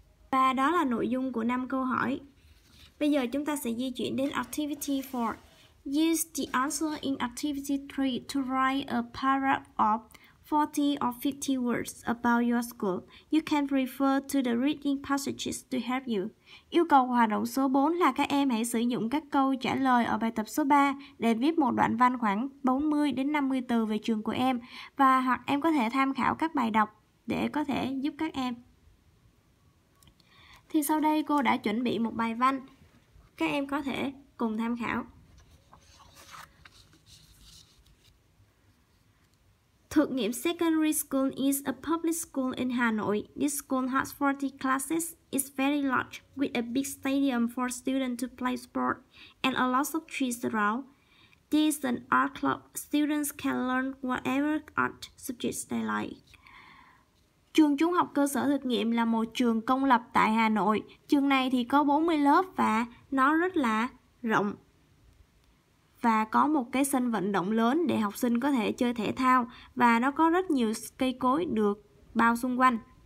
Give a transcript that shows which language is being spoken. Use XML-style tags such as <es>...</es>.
<vi>Và đó là nội dung của 5 câu hỏi. Bây giờ chúng ta sẽ di chuyển đến activity 4.</vi> <en>Use the answer in activity 3 to write a paragraph of 40 or 50 words about your school. You can refer to the reading passages to help you.</en> <vi>Yêu cầu hoạt động số 4 là các em hãy sử dụng các câu trả lời ở bài tập số 3 để viết một đoạn văn khoảng 40 đến 50 từ về trường của em, và hoặc em có thể tham khảo các bài đọc để có thể giúp các em. Thì sau đây cô đã chuẩn bị một bài văn, các em có thể cùng tham khảo.</vi> <en>Thực nghiệm secondary school is a public school in Hà Nội. This school has 40 classes, is very large, with a big stadium for students to play sport, and a lot of trees around. This is an art club. Students can learn whatever art subjects they like.</en> <vi>Trường Trung học Cơ sở Thực nghiệm là một trường công lập tại Hà Nội. Trường này thì có 40 lớp và nó rất là rộng. Và có một cái sân vận động lớn để học sinh có thể chơi thể thao. Và nó có rất nhiều cây cối được bao xung quanh.</vi>